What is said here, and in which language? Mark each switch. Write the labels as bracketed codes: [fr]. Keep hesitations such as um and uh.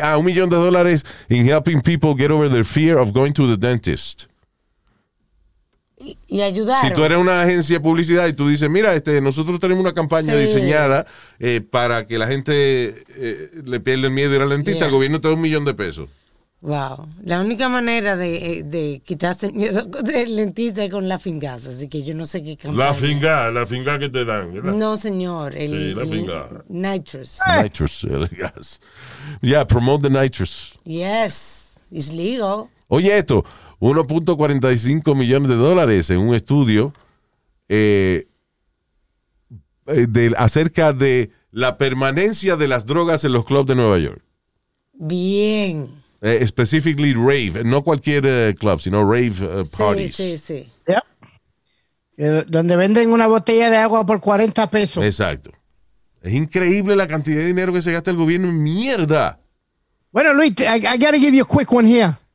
[es] Ah, un millón de dólares [en] in helping people get over their fear of going to the dentist. [es] Y, y ayudaron. Si tú eres una agencia de publicidad y tú dices, mira, este, nosotros tenemos una campaña Sí. diseñada eh, para que la gente eh, le pierda el miedo de ir al dentista, [en] Yeah. [es] el gobierno te da un millón de pesos. [en] Wow. [es] La única manera de, eh, de quitarse el miedo del dentista es con la fingaza, así que yo no sé qué campaña. La finga, la finga que te dan, ¿verdad? No, señor. El, Sí, la el finga. [en] Nitrous. Nitrous, eh, gas. Yeah, promote the nitrous. Yes. It's legal. [es] Oye esto, 1.45 millones de dólares en un estudio eh, eh, de- acerca de la permanencia de las drogas en los clubs de Nueva York. Bien. Eh, [en] specifically rave, [es] no cualquier eh, club, sino rave eh, Sí, [en] parties. [es] sí, sí. [en] Yep. [es] Eh, Donde venden una botella de agua por 40 pesos. Exacto. Es increíble la cantidad de dinero que se gasta el gobierno en mierda. Bueno, [en] Luis, I, I gotta give you a quick one here.